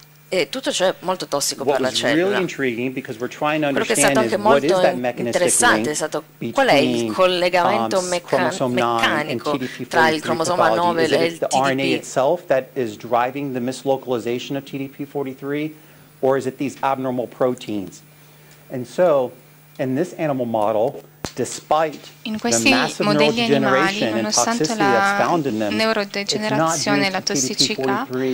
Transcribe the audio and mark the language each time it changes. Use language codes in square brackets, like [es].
[it] E tutto ciò è molto tossico per la cellula. Quello che è stato anche molto interessante è stato qual è il collegamento meccanico tra il cromosoma 9 e il TDP. [en] RNA itself that is driving the mislocalization of TDP43, or is it these abnormal proteins? And so, in this animal model, despite [it] in questi modelli animali, nonostante la neurodegenerazione e la tossicità,